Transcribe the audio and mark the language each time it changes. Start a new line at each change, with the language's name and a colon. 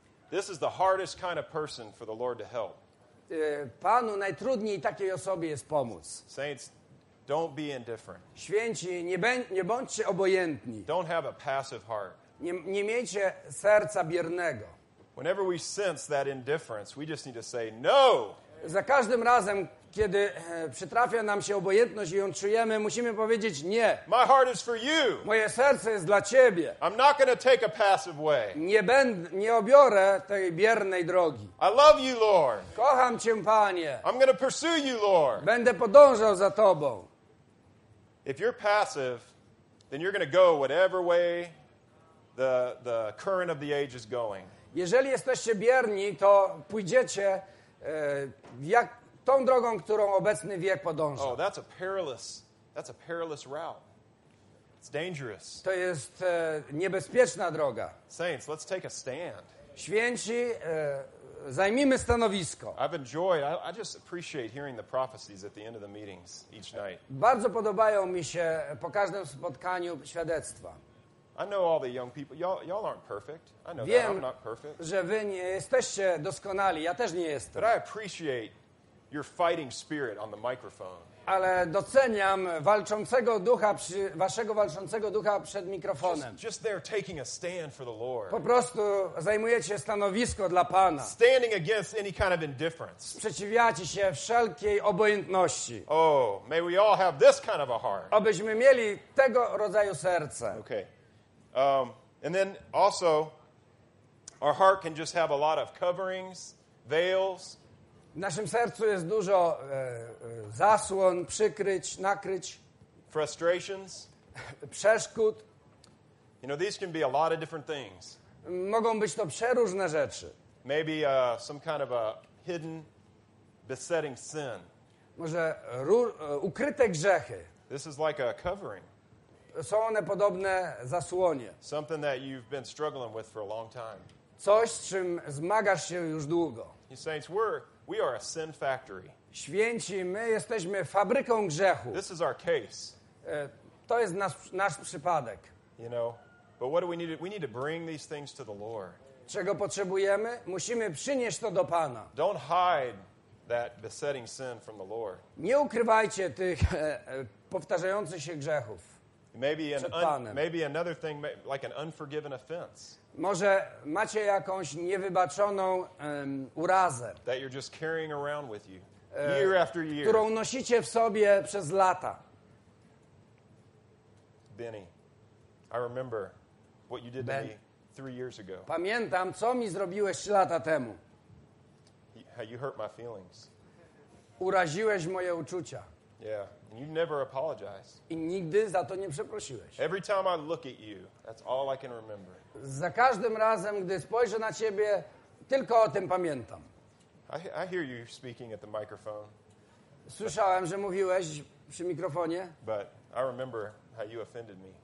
English: This is the hardest kind of person for the Lord to help.
Polish: Panu najtrudniej takiej osobie jest pomóc.
English: Saints, don't be indifferent.
Polish: Święci, nie bądźcie obojętni.
English: Don't have a passive heart.
Polish: Nie miejcie serca biernego.
English: Whenever we sense that indifference, we just need to say no.
Polish: Za każdym razem, kiedy przytrafia nam się obojętność i ją czujemy, musimy powiedzieć nie.
English: My heart is for you.
Polish: Moje serce jest dla Ciebie.
English: I'm not gonna take a passive way.
Polish: Nie obiorę tej biernej drogi.
English: I love you, Lord.
Polish: Kocham Cię, Panie.
English: I'm gonna pursue you, Lord.
Polish: Będę podążał za Tobą.
English: If you're passive, then you're gonna go whatever way the current of the age is going.
Polish: Jeżeli jesteście bierni, to pójdziecie jak tą drogą, którą obecny wiek podąża.
English: Oh, that's a perilous route. It's dangerous.
Polish: To jest niebezpieczna droga.
English: Saints, let's take a stand.
Polish: Święci, zajmijmy stanowisko.
English: I've enjoyed, I just appreciate hearing the prophecies at the end of the meetings each night.
Polish: Bardzo podobają mi się po każdym spotkaniu świadectwa.
English: I know all the young people. Y'all aren't perfect. I know that I'm not perfect.
Polish: Wiem, że wy nie jesteście doskonali. Ja też nie jestem.
English: But I appreciate your fighting spirit on the microphone.
Polish: Ale doceniam walczącego ducha waszego walczącego ducha przed mikrofonem.
English: Just there taking a stand for the Lord.
Polish: Po prostu zajmujecie stanowisko dla Pana.
English: Standing against any kind of indifference.
Polish: Sprzeciwiacie się wszelkiej obojętności.
English: Oh, may we all have this kind of a heart.
Polish: Abyśmy mieli tego rodzaju serce.
English: Okay. And then also, our heart can just have a lot of coverings, veils.
Polish: W naszym sercu jest dużo zasłon, przykryć, nakryć.
English: Frustrations.
Polish: Przeszkód.
English: You know, these can be a lot of different things.
Polish: Mogą być to przeróżne rzeczy.
English: Maybe some kind of a hidden, besetting sin.
Polish: Może ukryte grzechy.
English: This is like a covering.
Polish: Są one podobne zasłonie.
English: Something that you've been struggling with for a long time.
Polish: Coś, z czym zmagasz się już długo.
English: You saints, we are a sin factory.
Polish: Święci, my jesteśmy fabryką grzechu.
English: This is our case.
Polish: To jest nasz przypadek.
English: You know, but what do we need? We need to bring these things to the Lord.
Polish: Czego potrzebujemy? Musimy przynieść to do Pana.
English: Don't hide that besetting sin from the Lord.
Polish: Nie ukrywajcie tych powtarzających się grzechów.
English: Maybe another thing, like an unforgiven offense.
Polish: Może macie jakąś niewybaczoną urazę.
English: That you're just carrying around with you, year after year.
Polish: Którą nosicie w sobie przez lata.
English: Benny, I remember what you did to me 3 years ago.
Polish: Pamiętam, co mi zrobiłeś 3 lata temu.
English: You hurt my feelings.
Polish: Uraziłeś moje uczucia.
English: Yeah, and you never apologize.
Polish: I nigdy za to nie przeprosiłeś.
English: Every time I look at you, that's all I can remember.
Polish: Za każdym razem, gdy spojrzę na ciebie, tylko o tym pamiętam.
English: I hear you speaking at the microphone.
Polish: Słyszałem, że mówiłeś przy mikrofonie.
English: But I remember how you offended me.